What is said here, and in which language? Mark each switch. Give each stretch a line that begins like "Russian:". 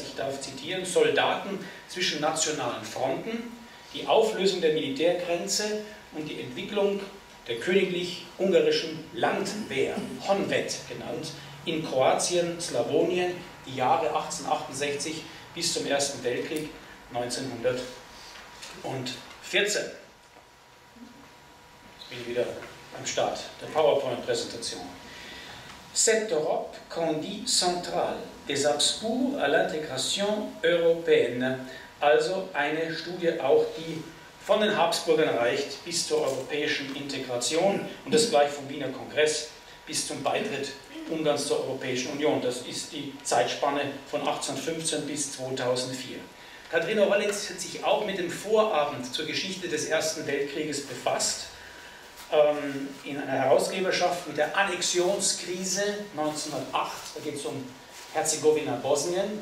German: Ich darf zitieren, Soldaten zwischen nationalen Fronten, die Auflösung der Militärgrenze und die Entwicklung der königlich-ungarischen Landwehr, Honvet genannt, in Kroatien, Slawonien, die Jahre 1868 bis zum Ersten Weltkrieg 1914. Jetzt bin ich wieder am Start der PowerPoint-Präsentation.
French: Cette Europe qu'on dit centrale, des Habsbourg à l'intégration européenne.
German: Also eine Studie auch, die von den Habsburgern reicht bis zur europäischen Integration und das gleich vom Wiener Kongress bis zum Beitritt Ungarns zur Europäischen Union. Das ist die Zeitspanne von 1815 bis 2004. Katharina Wallitz hat sich auch mit dem Vorabend zur Geschichte des Ersten Weltkrieges befasst, in einer Herausgeberschaft mit der Annexionskrise 1908. Da geht es um Herzegowina Bosnien.